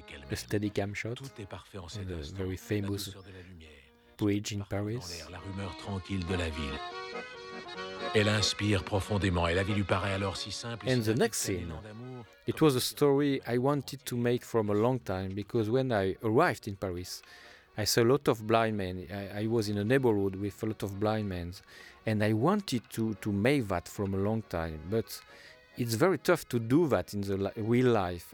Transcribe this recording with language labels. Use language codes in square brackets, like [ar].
[en] A steadicam shot, and a very famous bridge in Paris. [fr] La rumeur tranquille de la ville. Elle inspire profondément, et la vie lui paraît alors si simple. [en] And the next scene, it was a story I wanted to make from a long time, because when I arrived in Paris, I saw a lot of blind men. I was in a neighborhood with a lot of blind men, and I wanted to make that from a long time, but it's very tough to do that in the real life.